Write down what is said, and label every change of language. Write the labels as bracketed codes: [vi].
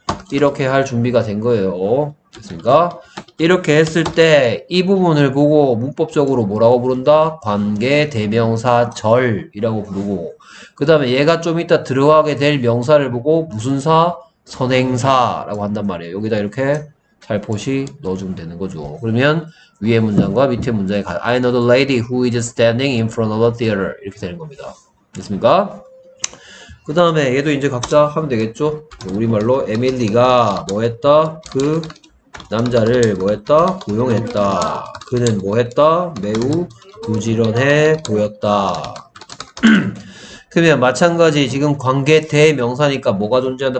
[ko] 이렇게 할 준비가 된 거예요. 됐습니까? 이렇게 했을 때, 이 부분을 보고 문법적으로 뭐라고 부른다? 관계 대명사 절이라고 부르고, 그 다음에 얘가 좀 이따 들어가게 될 명사를 보고 무슨 사? 선행사라고 한단 말이에요. 여기다 이렇게 살포시 넣어주면 되는 거죠. 그러면 위에 문장과 밑에 문장이 가요. [en] I know the lady who is standing in front of the theater. [ko] 이렇게 되는 겁니다. 됐습니까? 그 다음에 얘도 이제 각자 하면 되겠죠? 우리말로 에밀리가 뭐 했다? 그 남자를 뭐 했다? 고용했다. 그는 뭐 했다? 매우 부지런해 보였다. 그러면 마찬가지 지금 관계 대명사니까 뭐가 존재한다?